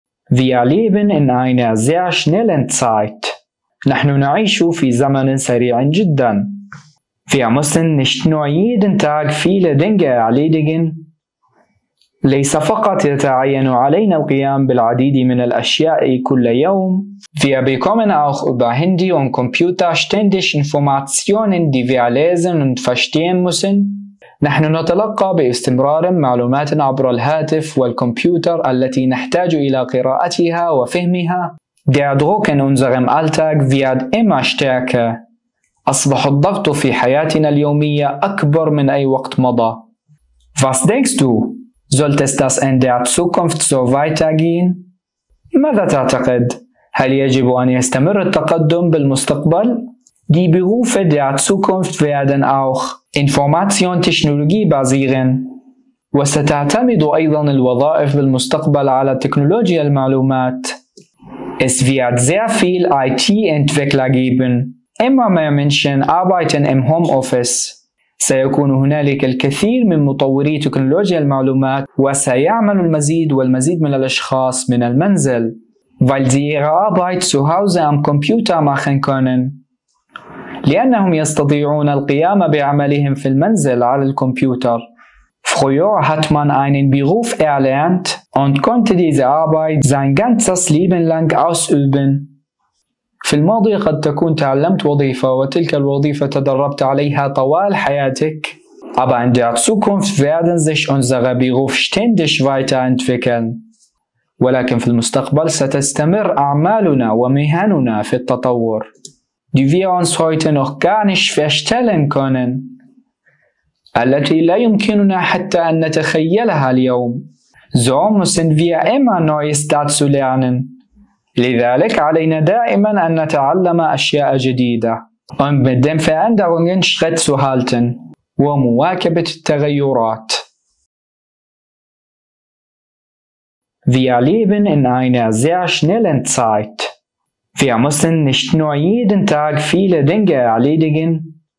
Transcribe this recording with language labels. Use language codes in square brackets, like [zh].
[de] Wir leben in einer sehr schnellen Zeit. [ar] نحن نعيش في زمن سريع جدا. [de] Wir müssen nicht nur jeden Tag viele Dinge erledigen. [ar] ليس فقط يتعين علينا القيام بالعديد من الأشياء كل يوم. [de] Wir bekommen auch über Handy und Computer ständig Informationen, die wir lesen und verstehen müssen. [ar] نحن نتلقى باستمرار معلومات عبر الهاتف والكمبيوتر التي نحتاج إلى قراءتها وفهمها. [de] Der Druck in unserem Alltag wird immer stärker. [ar] أصبح الضغط في حياتنا اليومية أكبر من أي وقت مضى. [de] Was denkst du? Sollte es das in der Zukunft so weitergehen? [ar] ماذا تعتقد؟ هل يجب أن يستمر التقدم بالمستقبل؟ [de] Die Berufe der Zukunft werden auch Informationstechnologie basieren. [ar] وستعتمد أيضا الوظائف بالمستقبل على تكنولوجيا المعلومات. [de] Es wird sehr viel IT-Entwickler geben. Immer mehr Menschen arbeiten im Homeoffice. [ar] سيكون هنالك الكثير من مطوري تكنولوجيا المعلومات وسيعمل المزيد والمزيد من الأشخاص من المنزل. [de] Weil sie ihre Arbeit zu Hause am Computer machen können. [ar] لأنهم يستطيعون القيام بعملهم في المنزل على الكمبيوتر. [de] Früher hat man einen Beruf erlernt und konnte diese Arbeit sein ganzes Leben lang ausüben. [ar] في الماضي قد تكون تعلمت وظيفة وتلك الوظيفة تدربت عليها طوال حياتك. [de] Aber in der Zukunft werden sich unsere Berufe ständig weiterentwickeln. [ar] ولكن في المستقبل ستستمر أعمالنا ومهننا في التطور. [de] Die wir uns heute noch gar nicht vorstellen können. [ar] التي لا يمكننا حتى أن نتخيلها اليوم. [de] So müssen wir immer Neues dazu lernen. [ar] لذلك علينا دائما أن نتعلم أشياء جديدة. [de] Und mit den Veränderungen Schritt zu halten. [ar] ومواكبة التغيرات. [de] Wir leben in einer sehr schnellen Zeit. Wir müssen nicht nur jeden Tag viele Dinge erledigen.